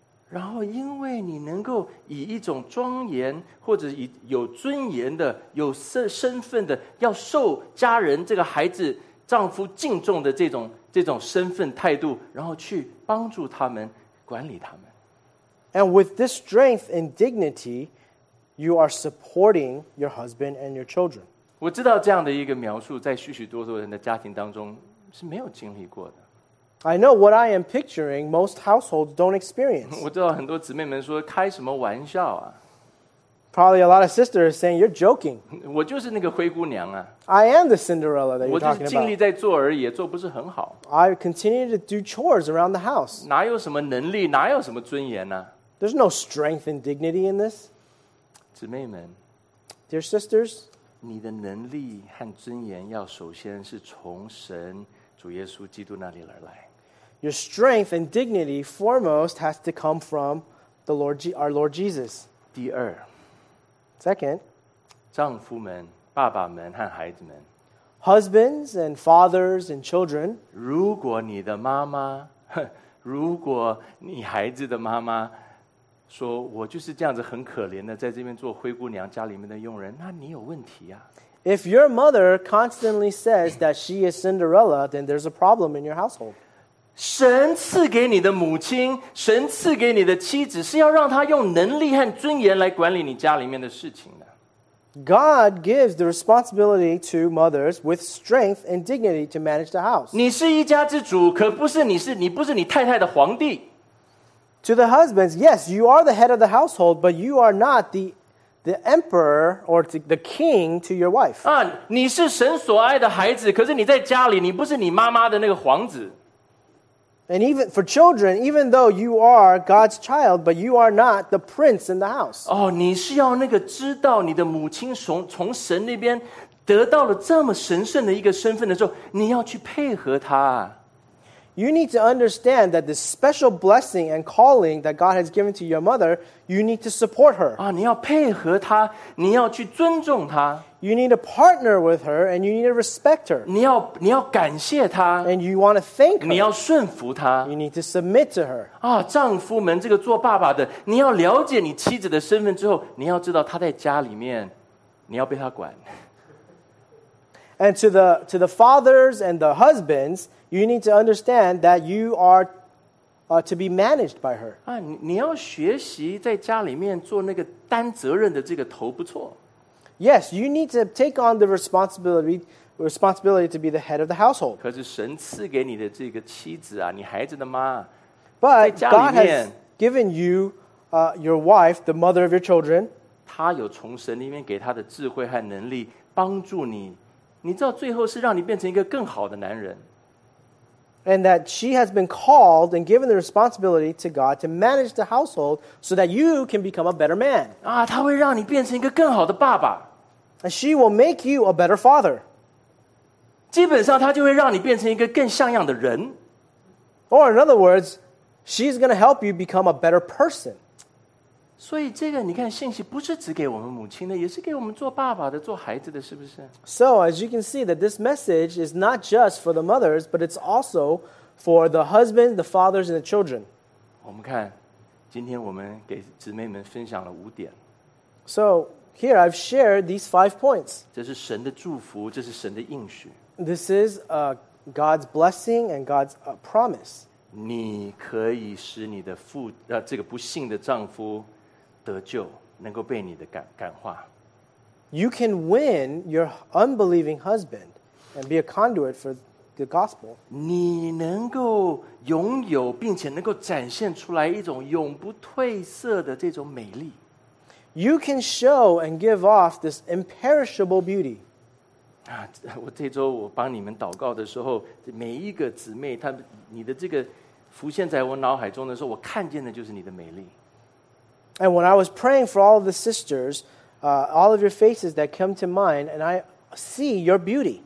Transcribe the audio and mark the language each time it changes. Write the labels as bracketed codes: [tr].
[zh] 然后因为你能够以一种庄严或者以有尊严的有身份的要受家人这个孩子丈夫敬重的这种身份态度，然后去帮助他们管理他们。 [en] And with this strength and dignity, you are supporting your husband and your children. [zh] 我知道这样的一个描述在许许多多人的家庭当中是没有经历过的。 [en] I know what I am picturing most households don't experience. [zh] 我知道很多姊妹们说开什么玩笑啊。 [en] Probably a lot of sisters are saying, you're joking. [zh] 我就是那个灰姑娘啊。 [en] I am the Cinderella that you're talking about. [zh] 我就是尽力在做而已，做不是很好。 [en] I continue to do chores around the house. [zh] 哪有什么能力，哪有什么尊严啊。 [en] There's no strength and dignity in this. [zh] 姊妹们。 [en] Dear sisters. [zh] 你的能力和尊严要首先是从神主耶稣基督那里而来。 [en] Your strength and dignity foremost has to come from the Lord, our Lord Jesus. [zh] 第二。 [en] Second. [zh] 丈夫们、爸爸们和孩子们。 [en] Husbands and fathers and children. [zh] 如果你的妈妈，如果你孩子的妈妈说，我就是这样子很可怜的，在这边做灰姑娘，家里面的佣人，那你有问题啊。 [en] If your mother constantly says that she is Cinderella, then there's a problem in your household. [zh] 神赐给你的母亲，神赐给你的妻子，是要让她用能力和尊严来管理你家里面的事情的。 [en] God gives the responsibility to mothers with strength and dignity to manage the house. [zh] 你是一家之主，可不是你不是你太太的皇帝。 [en] To the husbands, yes, you are the head of the household, but you are not the emperor or the king to your wife. [zh] 啊，你是神所爱的孩子，可是你在家里，你不是你妈妈的那个皇子。 [en] And even for children, even though you are God's child, but you are not the prince in the house. [zh] 哦，你是要那个知道你的母亲从神那边得到了这么神圣的一个身份的时候，你要去配合她。 [en] You need to understand that the special blessing and calling that God has given to your mother, you need to support her. [zh] 啊，你要配合她，你要去尊重她。 [en] You need to partner with her and you need to respect her. [zh] 你要感谢她。 [en] And you want to thank her. [zh] 你要顺服她。 [en] You need to submit to her. [zh] 啊，丈夫们，这个做爸爸的，你要了解你妻子的身份之后，你要知道她在家里面，你要被她管。 [en] And to the fathers and the husbands, you need to understand that you are to be managed by her. [zh] 啊，你要学习在家里面做那个担责任的这个头，不错。 [en] Yes, you need to take on the responsibility to be the head of the household. [zh] 可是神赐给你的这个妻子啊，你孩子的妈， [en] But God has given you your wife, the mother of your children. [zh] 她有从神里面给她的智慧和能力帮助你。你知道最后是让你变成一个更好的男人。 [en] And that she has been called and given the responsibility to God to manage the household so that you can become a better man. [zh] 啊，她会让你变成一个更好的爸爸。 [en] And she will make you a better father. [zh] 基本上她就会让你变成一个更像样的人。 [en] Or in other words, she's going to help you become a better person. [zh] 所以这个你看，信息不是只给我们母亲的，也是给我们做爸爸的、做孩子的，是不是？ [en] So as you can see that this message is not just for the mothers, but it's also for the husbands, the fathers, and the children. [zh] 我们看，今天我们给姊妹们分享了五点。 [en] So here I've shared these 5 points. [zh] 这是神的祝福，这是神的应许。 [en] This is God's blessing and God's promise. [zh] 你可以使你的父这个不幸的丈夫得救，能够被你的感化。 [en] You can win your unbelieving husband and be a conduit for the gospel. [zh] 你能够拥有并且能够展现出来一种永不褪色的这种美丽。 [en] You can show and give off this imperishable beauty. [zh] 我这周我帮你们祷告的时候，每一个姊妹，她你的这个浮现在我脑海中的时候，我看见的就是你的美丽。 [en] And when I was praying for all of the sisters, all of your faces that come to mind, and I see your beauty.